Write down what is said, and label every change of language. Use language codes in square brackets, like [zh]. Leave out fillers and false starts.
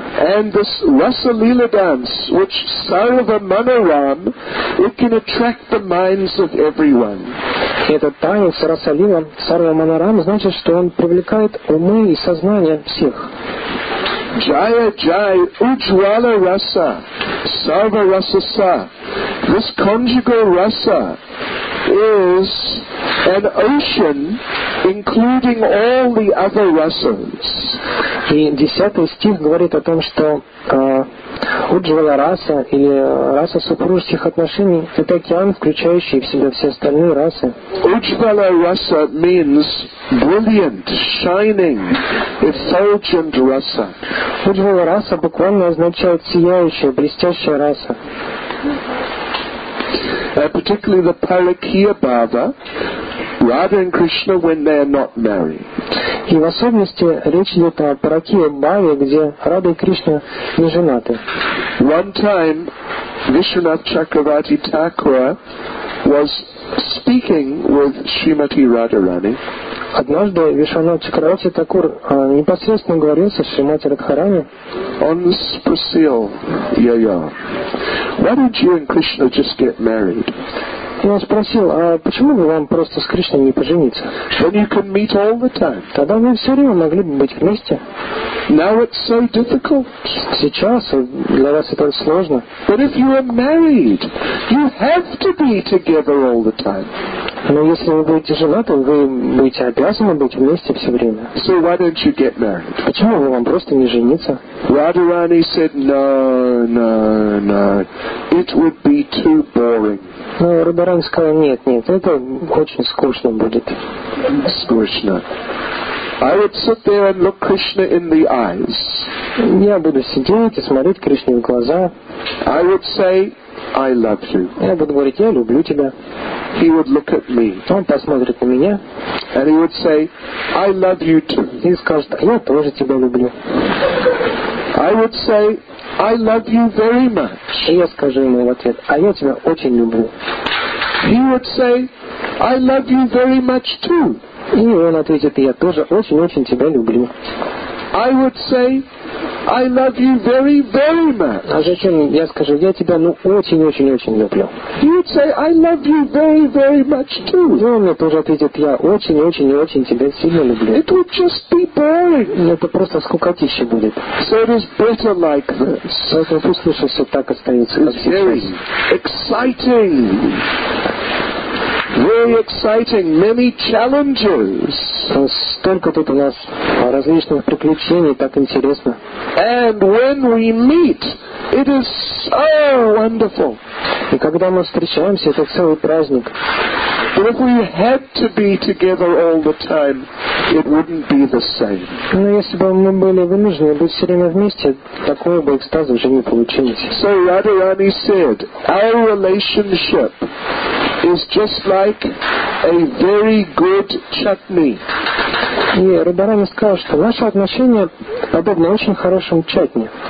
[en] And this Rasa Lila dance, which Sarva Manoram, it can attract the minds of everyone. [ru] Этот танец Раса Лила, Сарва Манорам, значит, что он привлекает умы и сознание всех. [sa] Jaya Jaya Ujwala Rasa Sarva Rasasa. [en] This conjugal rasa is an ocean including all the other rasas. [ru] И десятый стих говорит о том, что Уджвала раса или раса супружеских отношений — это океан, включающий в себя все остальные расы. [en] Уджвала раса means brilliant, shining, effulgent rasa. [ru] Уджвала раса буквально означает сияющая, блестящая раса. [en] Particularly the Parakeya Bhava, Radha and Krishna when they are not married. [ru] И в особенности речь идет о Паракия Бхаве, где Рада и Кришна не женаты. [en] One time Vishwanath Chakravarti Thakura was speaking with Srimati Radharani. [ru] Однажды Вишванат Чакравати Такур непосредственно говорил со Шримати Радхарани. Он спросил ее, [en] why did you and Krishna just get married? [ru] И он спросил, а почему бы вам просто с Кришной не пожениться? [en] When you can meet all the time. [ru] Тогда вы все время могли бы быть вместе. [en] Now it's so difficult. [ru] Сейчас для вас это сложно. [en] But if you are married, you have to be together all the time. [ru] Но если вы будете женаты, вы будете обязаны быть вместе все время. [en] So why don't you get married? [ru] Почему бы вам просто не жениться? [en] Radharani said, no, no, no. It would be too boring. [ru] Но Радхарани сказал, нет, нет, это очень скучно будет. Скучно. [en] I would sit there and look Krishna in the eyes. [ru] Я буду сидеть и смотреть Кришне в глаза. [en] I would say, I love you. [ru] Я буду говорить, я люблю тебя. [en] He would look at me. [ru] Он посмотрит на меня. [en] And he would say, I love you too. [ru] И скажет, я тоже тебя люблю. [en] I would say, I love you very much. [ru] И я скажу ему в ответ, а я тебя очень люблю. [en] He would say, I love you very much too. [ru] И он ответит, я тоже очень-очень тебя люблю. [en] I would say, I love you very, very much. [ru] А зачем я скажу, я тебя очень-очень-очень люблю. [en] He would say, I love you very, very much too. [ru] И он мне тоже ответит, я очень-очень-очень тебя сильно люблю. [en] It would just be boring. [ru] Это просто скукотища будет. [en] So it is better like this. [ru] Поэтому послушай, все так останется, как сейчас. [en] Very exciting. Very exciting, many challenges. [ru] Столько тут у нас различных приключений, так интересно. [en] And when we meet, it is so wonderful. [ru] И когда мы встречаемся, это целый праздник. [en] But if we had to be together all the time, it wouldn't be the same. [ru] Но если бы мы были вынуждены быть все время вместе, такого бы экстаза уже не получилось. [en] So Radharani said, our relationship is just like a very good chutney. [ru] И Радхарани сказал, что наши отношения подобны очень хорошему чатни.